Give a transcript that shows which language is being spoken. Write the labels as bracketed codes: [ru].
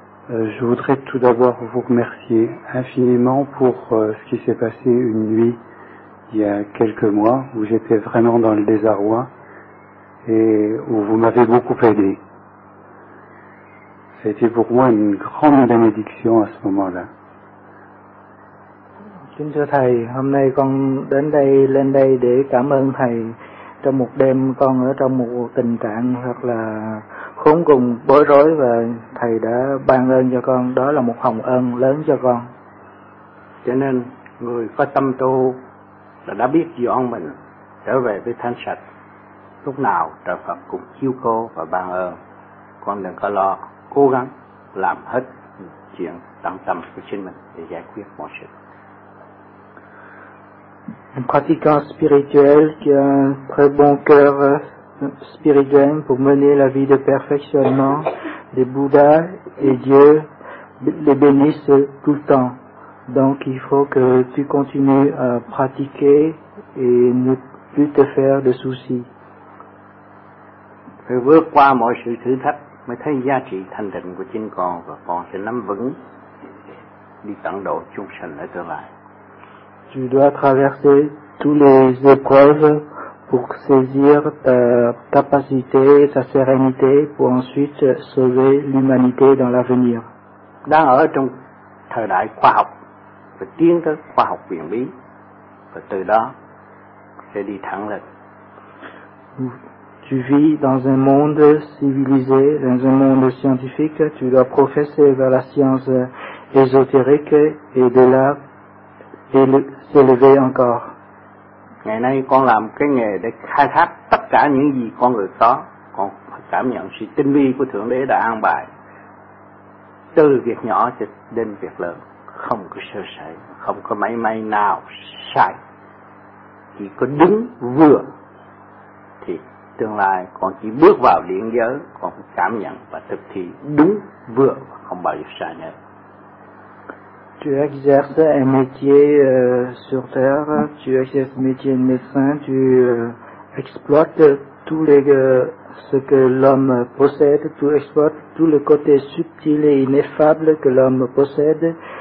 [fr] Je voudrais tout d'abord vous remercier infiniment pour ce qui s'est passé une nuit il y a quelques mois où j'étais vraiment dans le désarroi et où vous m'avez beaucoup aidé. Ça a été pour moi une grande bénédiction à ce moment-là. [vi] Kính thưa thầy, hôm nay con đến đây lên đây để cảm ơn thầy trong một đêm con ở trong một tình trạng thật là khốn cùng bối rối và thầy đã ban ơn cho con, đó là một hồng ân lớn cho con. Cho nên người có tâm tu là đã biết dọn mình trở về với thanh sạch, lúc nào trời Phật cũng chiếu cố và ban ơn. Con đừng có lo, cố gắng làm hết chuyện tận tâm của chính mình để giải quyết mọi sự. [fr] Un pratiquant spirituel qui a un très bon cœur spirituel pour mener la vie de perfectionnement des Bouddhas et Dieu les bénisse tout le temps. Donc il faut que tu continues à pratiquer et ne plus te faire de soucis. [vi] Phải vượt qua mọi sự thử thách mới thấy giá trị thanh tịnh của chính con, và con sẽ nắm vững đi tận độ chúng sanh ở tương lai. [fr] Tu dois traverser toutes les épreuves pour saisir ta capacité, ta sérénité, pour ensuite sauver l'humanité dans l'avenir. [vi] Đang ở trong thời đại khoa học và tiến tới khoa học huyền bí, và từ đó sẽ đi thẳng lên. [fr] Tu vis dans un monde civilisé, dans un monde scientifique, tu dois professer vers la science ésotérique et de là s'élever encore. [vi] Ngày nay con làm cái nghề để khai thác tất cả những gì con người có, con cảm nhận sự tinh vi của Thượng Đế đã an bài. Từ việc nhỏ cho đến việc lớn, không có sơ sẩy, không có máy may nào sai, chỉ có đứng vừa. Tương lai con chỉ bước vào điện giới, con cảm nhận và thực thi đúng vừa, không bao giờ sai nữa. [fr] Tu exerces un métier sur terre, tu exerces un métier de médecin, tu exploites tout ce que l'homme possède, tu exploites tout le côté subtil et ineffable que l'homme possède.